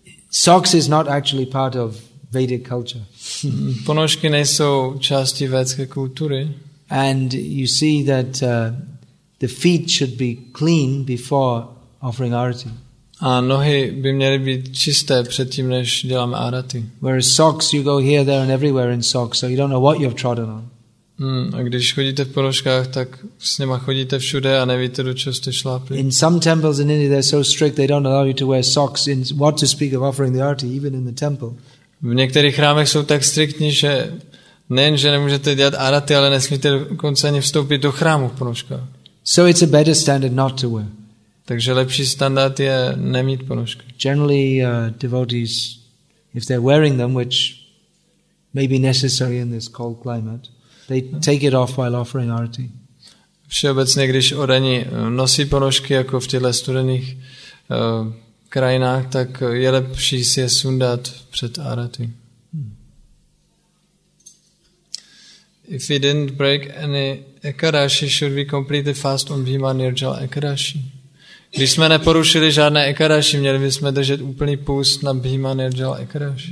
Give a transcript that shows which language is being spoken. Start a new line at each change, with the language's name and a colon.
English: Socks is not actually part of Vedic culture.
Czech: Ponožky nejsou části védské kultury.
English: And you see that the feet should be clean before offering arati.
Czech: A nohy by měly být čisté předtím, než děláme arati.
English: Whereas socks, you go here, there and everywhere in socks, so you don't know what you've trodden on.
Czech: A když chodíte v ponožkách, tak s něma chodíte všude a nevíte, do čeho jste šlápli.
English: In some temples in India, they're so strict, they don't allow you to wear socks, in what to speak of offering the arati, even in the temple.
Czech: V některých chrámech jsou tak striktní, že nejenže nemůžete dělat arati, ale nesmíte dokonce ani vstoupit do chrámu v ponožkách.
English: So it's a better standard not to wear.
Czech: Takže lepší standard je nemít ponožky.
English: Generally, devotees, if they're wearing them, which may be necessary in this cold climate, they take it off while offering arati.
Czech: Všeobecně, když odaní nosí ponožky jako v těchto studených krajinách, tak je lepší si je sundat před arati.
English: If we didn't break any ekadashi, should we complete the fast on Bhima Nirjal ekadashi?
Czech: Když jsme neporušili žádné ekadashi, měli bychom držet úplný půst na Bhima Nirjal ekadashi.